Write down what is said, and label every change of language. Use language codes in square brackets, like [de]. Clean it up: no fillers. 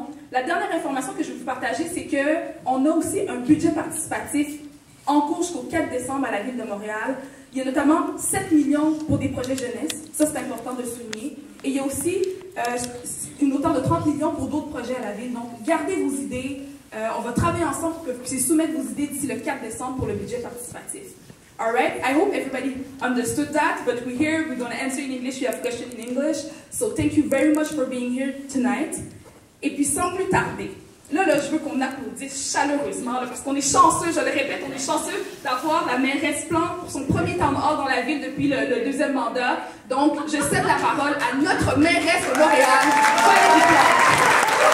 [fr] La dernière information que je vais vous partager, c'est qu'on a aussi un budget participatif en cours jusqu'au 4 décembre à la Ville de Montréal. Il y a notamment 7 millions pour des projets jeunesse, ça c'est important de souligner. Et il y a aussi une hauteur de 30 millions pour d'autres projets à la Ville. Donc, gardez vos idées, on va travailler ensemble pour que vous puissiez soumettre vos idées d'ici le 4 décembre pour le budget participatif. [en] Alright, I hope everybody understood that, but we're here, we're going to answer in English, we have questions in English. So thank you very much for being here tonight. [fr] Et puis sans plus tarder, Là, là, je veux qu'on applaudisse chaleureusement, là, parce qu'on est chanceux, je le répète, on est chanceux d'avoir la mairesse Plante pour son premier temps d'or dans la ville depuis le deuxième mandat. Donc, je cède la parole à notre mairesse lauréate, Valérie Plante.